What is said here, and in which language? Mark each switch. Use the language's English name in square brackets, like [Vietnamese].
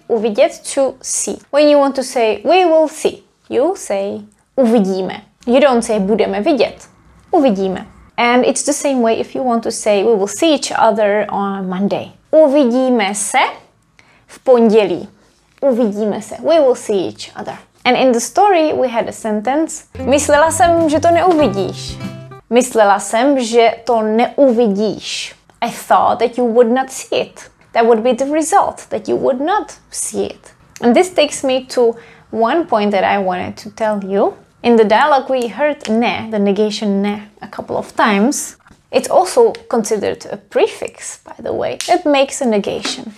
[English] Uvidět to see. When you want to say we will see, you say uvidíme. You don't say budeme vidět. Uvidíme. And it's the same way if you want to say we will see each other on Monday. [Czech] Uvidíme se v pondělí. Uvidíme se. [English] We will see each other. And in the story we had a sentence. [Czech] Myslela jsem, že to neuvidíš. Myslela jsem, že to neuvidíš. [English] I thought that you would not see it. That would be the result, that you would not see it. And this takes me to one point that I wanted to tell you. In the dialogue we heard ne, the negation ne, a couple of times. It's also considered a prefix, by the way. It makes a negation.